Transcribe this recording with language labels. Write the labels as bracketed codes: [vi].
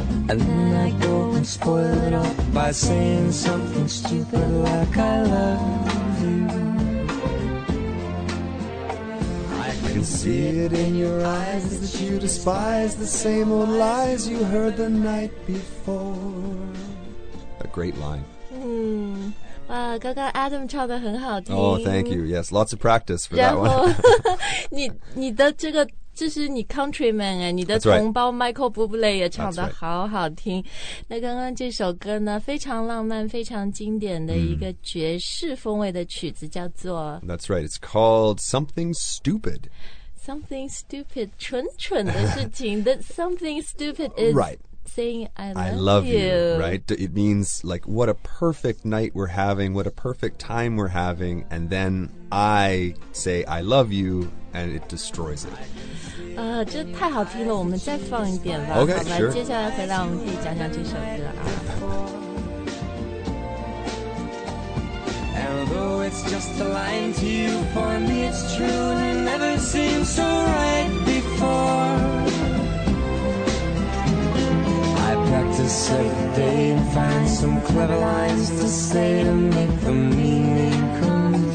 [en] And then I go and spoil it all by saying something stupid like I love you. I can see it in your eyes that you despise the same old lies you heard the night before. A great line. [zh] 哇，刚刚 Adam 唱得很好听。 [en] Oh, thank you. Yes, lots of practice for that one. [zh] 你的这个这是你 countryman 哎，你的同胞 Michael Bublé 也唱得好好听。 [en] Right. [zh] 那刚刚这首歌呢，非常浪漫、非常经典的一个爵士风味的曲子，叫做 [en] That's right. It's called Something Stupid. Something Stupid, [zh] 蠢蠢的事情 [en] That something stupid is right. Saying I love you. Right. It means like what a perfect night we're having, what a perfect time we're having, and then I say I love you, and it destroys it. [zh] 这太好听了，我们再放一遍吧。 [en] Okay, [zh] 好吧、 [en] sure. [zh] 接下来回来我们可以讲讲这首歌啊。 [en] Although it's just a line to you, for me it's true and it never seemed so right before. I practice every day and find some clever lines to say to make the meaning come.